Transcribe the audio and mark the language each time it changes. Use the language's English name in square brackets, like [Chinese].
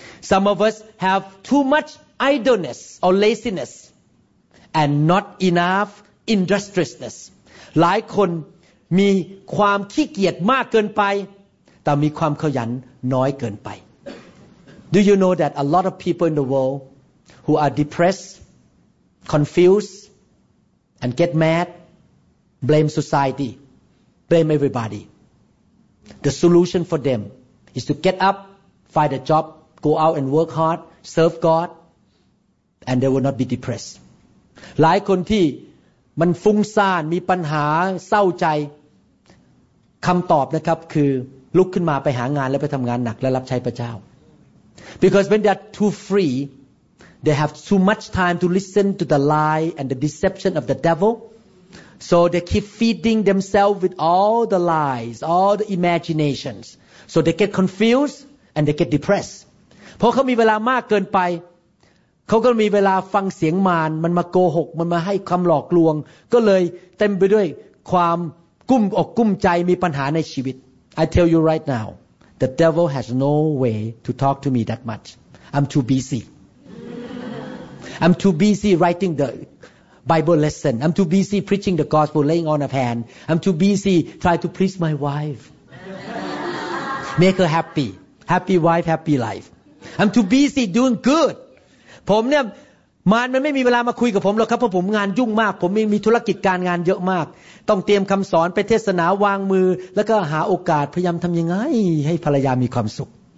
[English] Some of us have too much idleness or laziness and not enough industriousness [Thai] หลายคนมีความขี้เกียจมากเกินไปแต่มีความขยันน้อยเกินไป [English] Do you know that a lot of people in the world who are depressed, confused, and get mad, blame society, blame everybody. The solution for them is to get up, find a job, go out and work hard, serve God, and they will not be depressed. [Thai] หลายคนที่มันฟุ้งซ่านมีปัญหาเศร้าใจคำตอบนะครับคือลุกขึ้นมาไปหางานแล้วไปทำงานหนักและรับใช้พระเจ้า [English] Because when they are too free, they have too much time to listen to the lie and the deception of the devil. So they keep feeding themselves with all the lies, all the imaginations. So they get confused and they get depressed. [Thai] เพราะเขามีเวลามากเกินไปเขาก็มีเวลาฟังเสียงมารมันมาโกหกมันมาให้คำหลอกลวงก็เลยเต็มไปด้วยความกุ้มอกกุ้มใจมีปัญหาในชีวิต [English] I tell you right now the devil has no way to talk to me that much I'm too busy writing the Bible lesson I'm too busy preaching the gospel laying on a pan I'm too busy trying to please my wife make her happy happy wife happy life I'm too busy doing good [Thai] ผมเนี่ยมารมันไม่มีเวลามาคุยกับผมหรอกครับเพราะผมงานยุ่งมากผมมีธุรกิจการงานเยอะมากต้องเตรียมคำสอนไปเทศนาวางมือแล้วก็หาโอกาสพยายามทำยังไงให้ภรรยามีความสุข